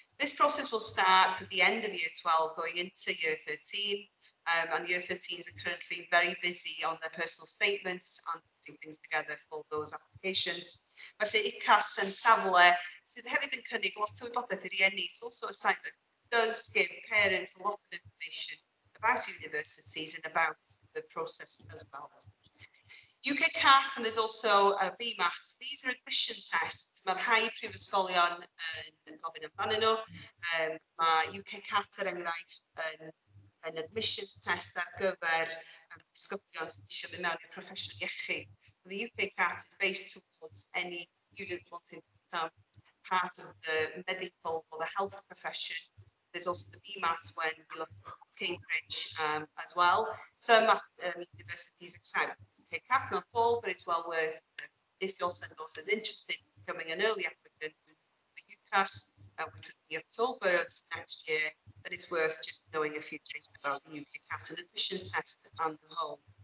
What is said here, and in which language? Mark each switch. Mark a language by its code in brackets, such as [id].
[en] This process will start at the end of year 12 going into year 13, and year 13s are currently very busy on their personal statements and putting things together for those applications. [cy] Felly UCAS and safle sydd hefyd yn cynnig lot o wybodaeth i'r rhieni. [en] It's also a site that does give parents a lot of information about universities and about the process as well. UK CAT and there's also a VMAT. These are admission tests. [cy] Mae'r rhai prifysgolion yn gofyn amdanyn nhw. Mae UK CAT er enghraifft yn admissions test ar gyfer ysgolion sydd eisiau mynd mewn i'r proffesiwn iechyd. [en] So the UK CAT is based towards any student wanting to become part of the medical or the health profession. There's also the BMAT when we look at Cambridge as well. Some universities accept UK CAT in the fall, but it's well worth if your son or daughter is interested in becoming an early applicant for UCAS, which would be October of next year, then it's worth just knowing a few things about the UK CAT and admissions test and the whole.